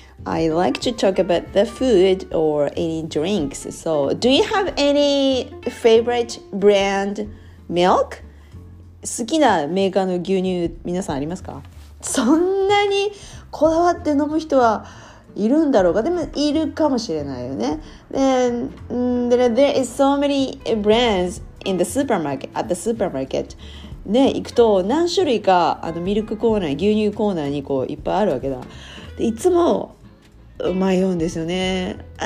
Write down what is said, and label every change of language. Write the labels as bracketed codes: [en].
[en] I like to talk about the food or any drinks. So, do you have any favorite brand milk? [ja] 好きなメーカーの牛乳皆さんありますか？そんなにこだわって飲む人はいるんだろうか？でもいるかもしれないよね。 [en] There is so many brands in the supermarket. At the supermarket、 [ja] ね、行くと何種類かミルクコーナー、牛乳コーナーにこういっぱいあるわけだ。でいつも迷うんですよね。